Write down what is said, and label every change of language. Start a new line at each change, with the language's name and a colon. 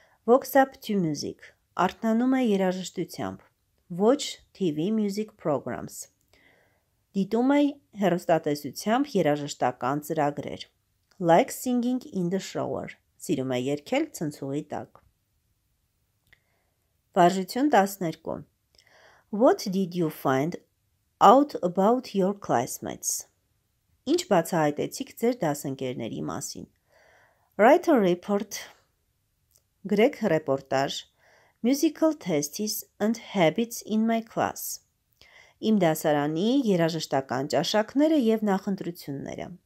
English: Walks up to music.
Armenian: Արթնանում է երաժշտությամբ.
English: Watch TV music programs.
Armenian: Դիտում է հեռուստատեսությամբ երաժշտական ծրագրեր.
English: Like singing in the shower.
Armenian: Սիրում է երգել ցնցուղի տակ. Վարժություն 12.
English: What did you find out about your classmates?
Armenian: Ինչ բացահայտեցիք ձեր դասընկերների մասին?
English: Write a report.
Armenian: Գրեք ռեպորտաժ.
English: Musical tastes and habits in my class.
Armenian: Իմ դասարանի երաժշտական ճաշակները և նախընտրությունները.